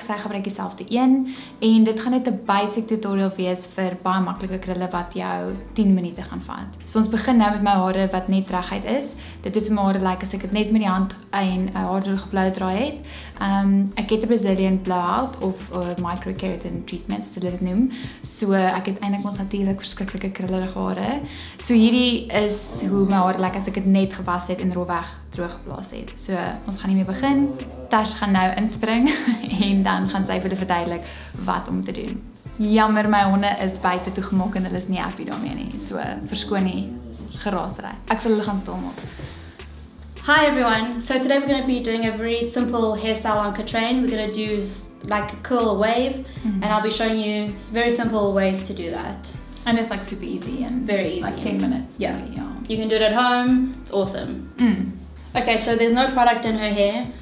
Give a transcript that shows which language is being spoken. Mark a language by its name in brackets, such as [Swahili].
[Afrikaans] Sy gebruik dieselfde een en dit gaan net 'n [English] basic tutorial [Afrikaans] wees vir baie maklike krulle wat jou 10 minute gaan vat. So ons begin nou met my hare wat net reguit is. Dit is my hare lyk as ek dit net met die hand en 'n haardroër geblou draai het. Ek het 'n Brazilian blowout of microkeratin treatment so dit noem. So ek het en ek mos natuurlik verskriklike krullerige hare. So hierdie is hoe my hare lyk as ek dit net gewas het en rofweg droog geplaas het. So ons gaan nie meer begin. Tash gaan nou inspring en dan gaan sy vir julle verduidelik wat om te doen. Jammer, my honde is buite toegemaak en hulle is nie happy daarmee nie. So verskoon die geraasery. Ek sal hulle gaan stil maak. [English] Hi everyone. So today we're going to be doing a very simple hairstyle on Katrin. We're going to do like a curl wave, mm-hmm. and I'll be showing you very simple ways to do that. And it's like super easy and very easy. Like 10 minutes. Yeah. Maybe, yeah. You can do it at home. It's awesome. Mm. Okay, so there's no product in her hair.